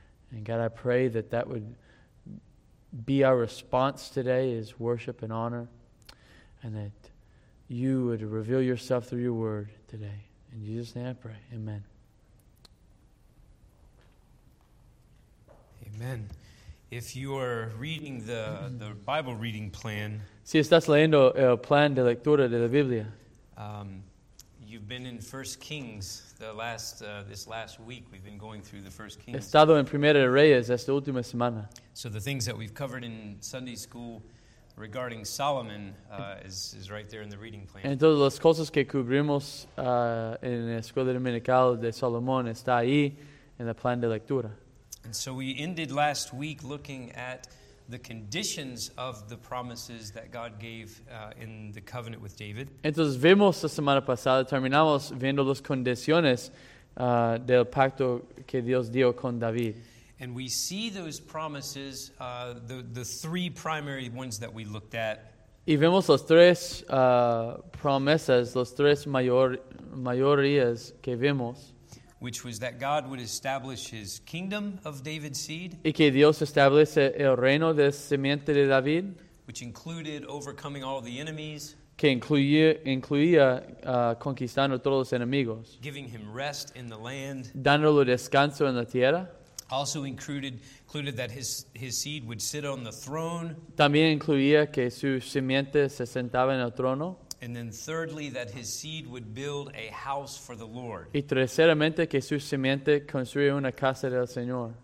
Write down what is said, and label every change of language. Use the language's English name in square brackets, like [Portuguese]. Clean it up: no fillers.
[English] And God, I pray that that would be our response today, is worship and honor, and that you would reveal yourself through your word today. In Jesus' name I pray, amen. Amen. If you are reading the Bible reading plan, [Spanish] si estás leyendo el plan de lectura de la Biblia, [English] you've been in 1 Kings this last week. We've been going through the 1 Kings. [Spanish] He estado en Primera de Reyes esta última semana. [English] So the things that we've covered in Sunday school regarding Solomon is right there in the reading plan. [Spanish] Entonces las cosas que cubrimos en la escuela dominical de Salomón está ahí en el plan de lectura. [English] And so we ended last week looking at the conditions of the promises that God gave in the covenant with David. [Spanish] Entonces vimos la semana pasada, terminamos viendo las condiciones del pacto que Dios dio con David. [English] And we see those promises, the three primary ones that we looked at. [Spanish] Y vemos las tres promesas, los tres mayorías que vimos. [English] Which was that God would establish his kingdom of David's seed. [Spanish] Y que Dios establece el reino de simiente de David. [English] Which included overcoming all the enemies. [Spanish] Que incluía conquistando todos los enemigos. [English] Giving him rest in the land. [Spanish] Dándole descanso en la tierra. [English] Also included that his seed would sit on the throne. [Spanish] También incluía que su simiente se sentaba en el trono. [English] And then thirdly, that his seed would build a house for the Lord. [Spanish] Y terceramente, que su simiente construye una casa del Señor.